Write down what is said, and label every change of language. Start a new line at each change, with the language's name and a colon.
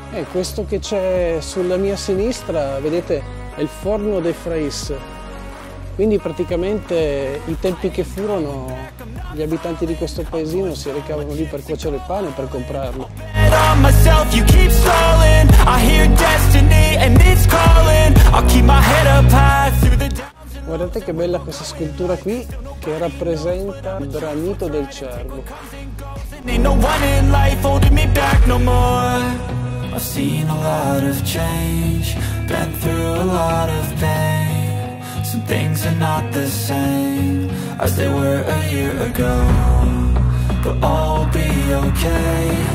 Italian: Questo che c'è sulla mia sinistra, vedete, è il forno dei Frais. Quindi praticamente i tempi che furono, gli abitanti di questo paesino si recavano lì per cuocere il pane, per comprarlo.
English: from myself, you keep stalling. I hear destiny and it's calling. I'll keep my head up high through the downs.
Italian: Guardate che bella questa scultura qui, che rappresenta il granito del cervo.
English: Ain't no one in life holding me back no more. I've seen a lot of change, been through a lot of pain. Some things are not the same as they were a year ago, but all will be okay.